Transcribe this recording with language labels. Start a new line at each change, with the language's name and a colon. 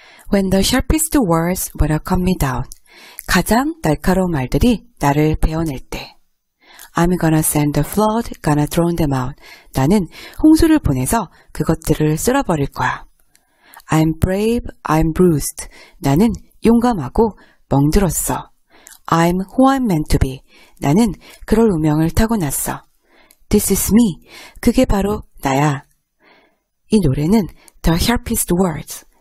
English: When the sharpest words will cut me down.
Korean: 가장 날카로운 말들이 나를 베어낼 때.
English: I'm gonna send the flood, gonna throw them out.
Korean: 나는 홍수를 보내서 그것들을 쓸어버릴 거야.
English: I'm brave, I'm bruised.
Korean: 나는 용감하고 멍들었어.
English: I'm who I'm meant to be.
Korean: 나는 그럴 운명을 타고났어.
English: This is me.
Korean: 그게 바로 나야. 이 노래는 The Sharpest Words.